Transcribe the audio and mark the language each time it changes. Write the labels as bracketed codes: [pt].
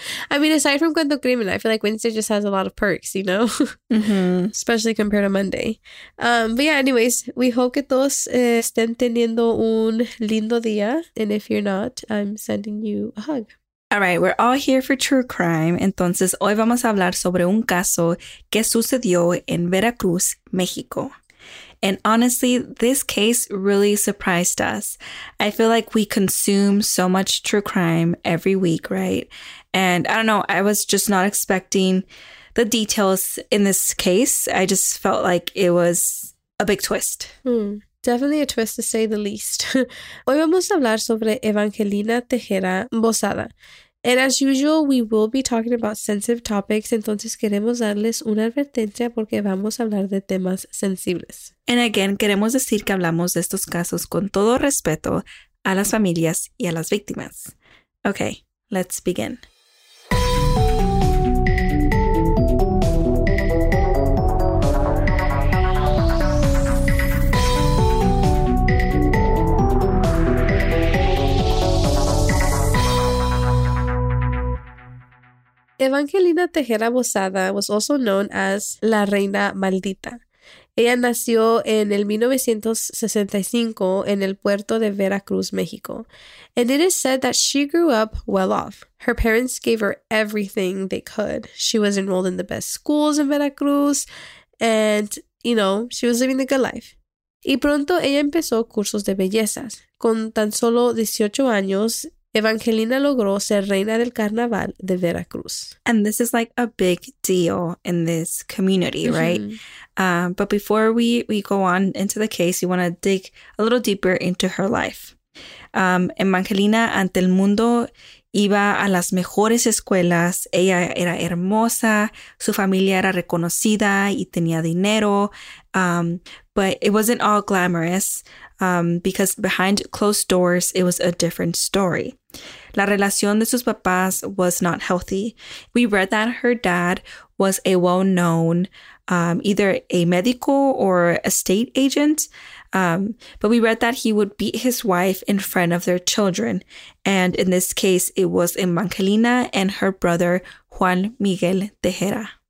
[en] I mean, aside from Cuento Crimen, I feel like Wednesday just has a lot of perks, you know? Mm-hmm. Especially compared to Monday. But yeah, anyways, we hope [es] que todos estén teniendo un lindo día. [en] And if you're not, I'm sending you a hug. All right, we're all here for true crime. [es] Entonces, hoy vamos a hablar sobre un caso que sucedió en Veracruz, México. [en] And honestly, this case really surprised us. I feel like we consume so much true crime every week, right? And I don't know, I was just not expecting the details in this case. I just felt like it was a big twist. Definitely a twist to say the least. [es] Hoy vamos a hablar sobre Evangelina Tejera Bozada. [en] And as usual, we will be talking about sensitive topics. [es] Entonces queremos darles una advertencia porque vamos a hablar de temas sensibles. [en] And again, [es] queremos decir que hablamos de estos casos con todo respeto a las familias y a las víctimas. [en] Okay, let's begin. Evangelina Tejera Bozada was also known as La Reina Maldita. [es] Ella nació en el 1965 en el puerto de Veracruz, México. [en] And it is said that she grew up well off. Her parents gave her everything they could. She was enrolled in the best schools in Veracruz and, you know, she was living the good life. [es] Y pronto ella empezó cursos de bellezas. Con tan solo 18 años, Evangelina logró ser reina del carnaval de Veracruz. [en] And this is like a big deal in this community, mm-hmm. right? But before we go on into the case, we want to dig a little deeper into her life. [es] Evangelina ante el mundo iba a las mejores escuelas. Ella era hermosa. Su familia era reconocida y tenía dinero. [en] But it wasn't all glamorous. Because behind closed doors, it was a different story. [es] La relación de sus papás [en] was not healthy. We read that her dad was a well-known, either a medical or estate agent. But we read that he would beat his wife in front of their children. And in this case, it was Evangelina and her brother, Juan Miguel Tejera.